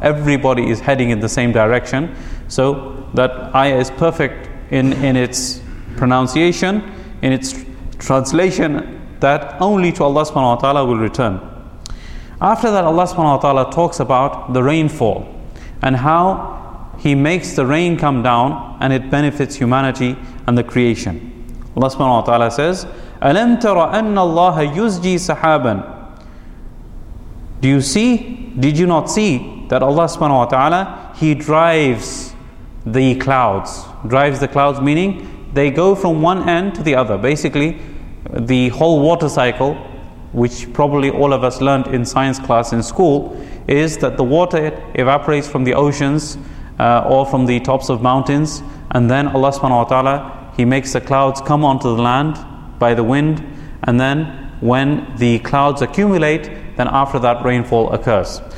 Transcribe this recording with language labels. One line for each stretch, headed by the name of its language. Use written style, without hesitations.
English: Everybody is heading in the same direction. So that ayah is perfect in its pronunciation, in its translation, that only to Allah subhanahu wa ta'ala will return. After that, Allah subhanahu wa ta'ala talks about the rainfall and how He makes the rain come down and it benefits humanity and the creation.
Arabic: Allah subhanahu wa ta'ala
English: says,
Arabic: أَلَمْ تَرَ أَنَّ اللَّهَ يُزْجِي سَحَابًا.
English: Do you see? Did you not see that Allah subhanahu wa ta'ala, He drives the clouds. Drives the clouds, meaning they go from one end to the other. Basically, the whole water cycle, which probably all of us learned in science class in school, is that the water evaporates from the oceans or from the tops of mountains, and then Allah subhanahu wa ta'ala, He makes the clouds come onto the land by the wind, and then when the clouds accumulate, then after that rainfall occurs.